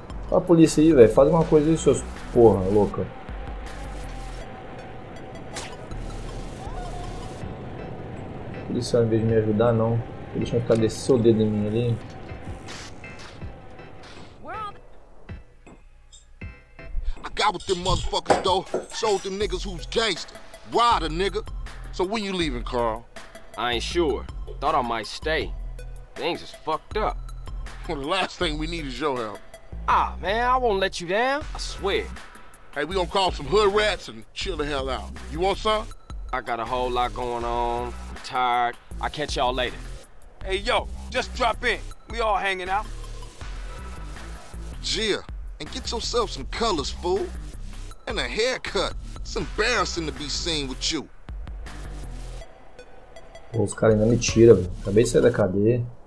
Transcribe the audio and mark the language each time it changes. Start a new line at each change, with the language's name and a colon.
Portuguese: Olha a polícia aí, velho. Faz alguma coisa aí, seus porra louca. Polícia, ao invés de me ajudar, não. Deixa eu ficar desse seu dedo em mim ali.
English: With them motherfuckers though, showed them niggas who's gangster. Rider, nigga. So when you leaving, Carl? I ain't sure. Thought I might stay. Things is fucked up. Well, the last thing we need is your help. Ah, man, I won't let you down. I swear. Hey, we gonna call some hood rats and chill the hell out. You want some? I got a whole lot going on. I'm tired. I'll catch y'all later. Hey, yo, just drop in. We all hanging out. Gia. And get yourself some colors, fool. And a haircut. It's embarrassing to be seen with you.
Portuguese: Pô, os caras ainda me tiram, velho. Acabei de sair da cadeia.